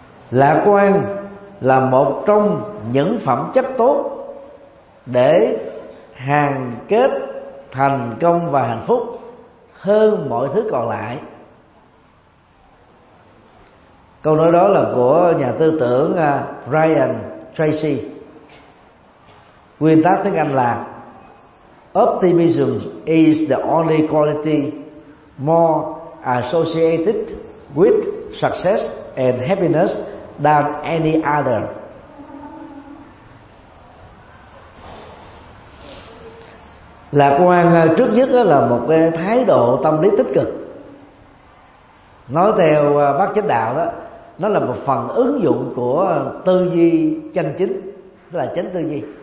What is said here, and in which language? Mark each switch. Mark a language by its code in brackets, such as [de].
[vi] Lạc quan là một trong những phẩm chất tốt để hàn kết thành công và hạnh phúc hơn mọi thứ còn lại. Câu nói đó là của nhà tư tưởng Ryan Tracy. Nguyên tắc tiếng Anh là [en] Optimism is the only quality more associated with success and happiness than any other. [vi] Lạc quan trước nhất là một cái thái độ tâm lý tích cực. Nói theo bác chánh đạo đó, nó là một phần ứng dụng của tư duy chân chính, tức là chánh tư duy.